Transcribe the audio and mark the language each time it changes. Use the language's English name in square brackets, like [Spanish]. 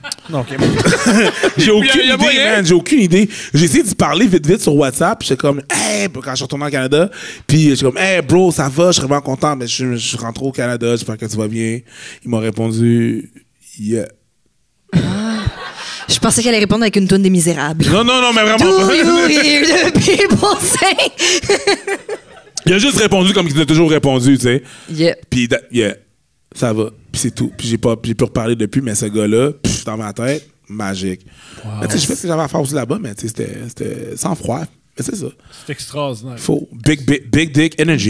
[French] Non, OK. J'ai aucune idée, man. J'ai essayé de parler vite sur WhatsApp. J'étais comme, hey, quand je suis retourné au Canada. Puis j'étais comme, hey, bro, ça va, je suis vraiment content, mais je suis rentré au Canada, j'espère que tu vas bien. Il m'a répondu, yeah. Je pensais qu'elle allait répondre avec une toune des Misérables. Non, mais vraiment. [English] Do you hear the people sing? [French] Il a juste répondu comme il a toujours répondu, tu sais. [English] Yeah. [French] Puis, yeah, ça va. Puis c'est tout. Puis j'ai pu reparler depuis, mais ce gars-là, pff, dans ma tête, magique. Wow. Tu sais, je sais ce que j'avais à faire aussi là-bas, mais tu sais, c'était sans froid. Mais c'est ça. C'est extraordinaire. Faux. [English] Big dick energy.